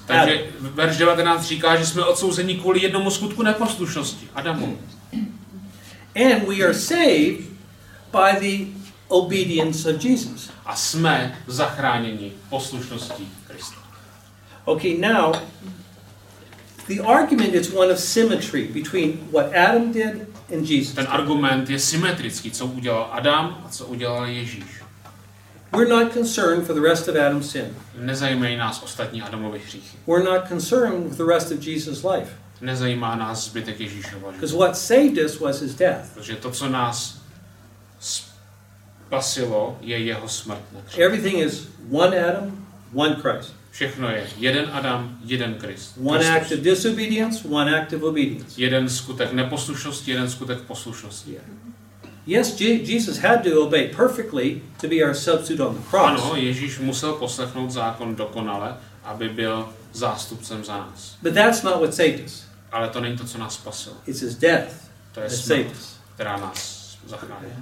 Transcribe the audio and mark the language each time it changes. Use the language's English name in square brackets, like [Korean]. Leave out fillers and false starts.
[Czech] Takže verš 19 říká, že jsme odsouzeni kvůli jednomu skutku neposlušnosti Adamu. [English] And we are saved by the obedience of Jesus. [Czech] A jsme zachráněni poslušností Krista. [English] Okay, now the argument is one of symmetry between what Adam did and Jesus. [Czech] Ten argument je symetrický, co udělal Adam a co udělal Ježíš. [English] We're not concerned for the rest of Adam's sin. [Czech] Nezajímají nás ostatní Adamovy hříchy. [English] We're not concerned with the rest of Jesus' life. [Czech] Nezajímá nás zbytek Ježíšova života. [English] Because what saved us was his death. [Czech] Protože to, co nás spasilo, je jeho smrt na kříži. [English] Everything is one Adam, one Christ. [Czech] Všechno je jeden Adam, jeden Krist. [English] One act of disobedience, one act of obedience. [Czech] Jeden skutek neposlušnosti, jeden skutek poslušnosti. [English] Yeah. Yes, Jesus had to obey perfectly to be our substitute on the cross. [Czech] Ano, Ježíš musel poslechnout zákon dokonale, aby byl zástupcem za nás. [English] But that's not what saved us. [Czech] Ale to není to, co nás spasilo. [English] It's his death. [Czech] To je smrt, která nás zachránila.